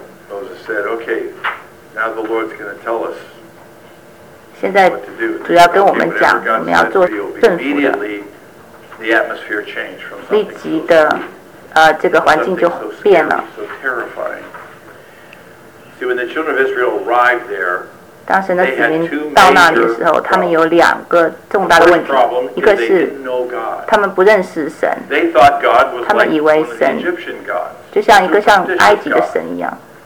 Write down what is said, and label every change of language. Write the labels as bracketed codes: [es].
[en] Moses said, "Okay, now the Lord's going to tell us." [zh] 现在主要跟我们讲，我们要做政府的。 [en] The atmosphere changed from [zh] 立即的，这个环境就变了。 [en] So terrifying. See, when the children of Israel arrived there, [zh] 当神的子民到那里的时候，他们有两个重大的问题。一个是他们不认识神，他们以为神就像一个像埃及的神一样。